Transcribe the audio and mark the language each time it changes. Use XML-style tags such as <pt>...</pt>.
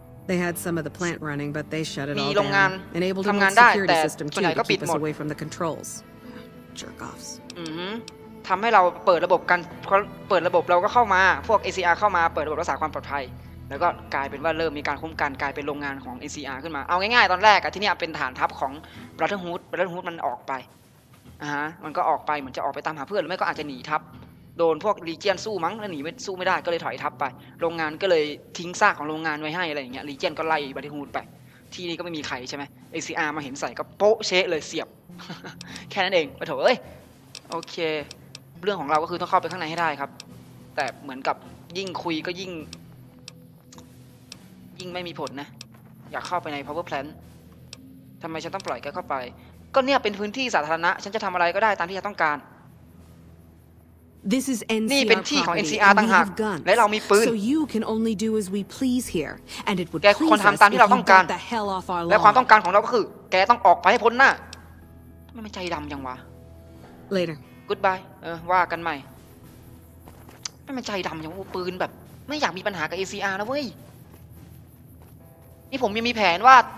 <en>They had some of the plant running, but they shut it all down. Enabled a security system to keep us away from the controls. Jerk offs.</en> <th>ทำให้เราเปิดระบบเราก็เข้ามาพวก ACR เข้ามาเปิดระบบรักษาความปลอดภัยแล้วก็กลายเป็นว่าเริ่มมีการคุ้มกันกลายเป็นโรงงานของ ACR ขึ้นมาเอาง่ายๆตอนแรกอะที่นี่เป็นฐานทัพของBrotherhood มันออกไป มันก็ออกไปเหมือนจะออกไปตามหาเพื่อนหรือไม่ก็อาจจะหนีทัพโดนพวกลีเจียนสู้มั้งแล้วหนีไม่สู้ไม่ได้ก็เลยถอยทับไปโรงงานก็เลยทิ้งซากของโรงงานไว้ให้อะไรอย่างเงี้ยลีเจียนก็ไล่บาติฮูดไปที่นี่ก็ไม่มีใครใช่ไหมเอซีอาร์มาเห็นใส่ก็โป๊ะเชะเลยเสียบ แค่นั้นเองไปเถอะเอ้ยโอเคเรื่องของเราก็คือต้องเข้าไปข้างในให้ได้ครับแต่เหมือนกับยิ่งคุยก็ยิ่งไม่มีผลนะอยากเข้าไปใน power plant ทำไมฉันต้องปล่อยแกเข้าไปก็เนี่ยเป็นพื้นที่สาธารณะฉันจะทำอะไรก็ได้ตามที่ฉันต้องการ</th> <en>This is NCR.</en> <th>นี่เป็นที่ของ NCR ต่างหากและเรามีปืน</th> <en>So you can only do as we please here and it would</en> <th>แกควรทําตามที่เราต้องการและความต้องการของเราก็คือแกต้องออกไปให้พ้นหน้าทําไมใจดําจังวะ</th> <en>Later. Goodbye.</en> <th>ว่ากันใหม่ทําไมใจดําอย่างปืนแบบไม่อยากมีปัญหากับ NCR นะเว้ยนี่ผมยังมีแผนว่า</th>